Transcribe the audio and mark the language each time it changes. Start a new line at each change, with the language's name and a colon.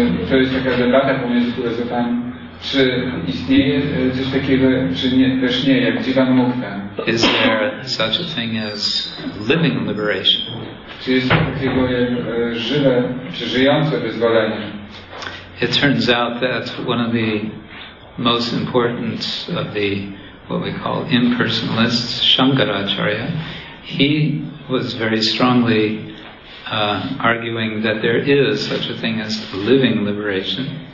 Polish: To jest taka debata pomiędzy filozofami. Czy istnieje coś takiego, czy nie, też nie, jak Jivan Mukta?
English: Is there such a thing as living liberation?
Polish: Czy jest takiego żywe, czy żyjące wyzwolenie?
English: It turns out that one of the most important of the what we call impersonalists, Shankaracharya, he was very strongly arguing that there is such a thing as living liberation.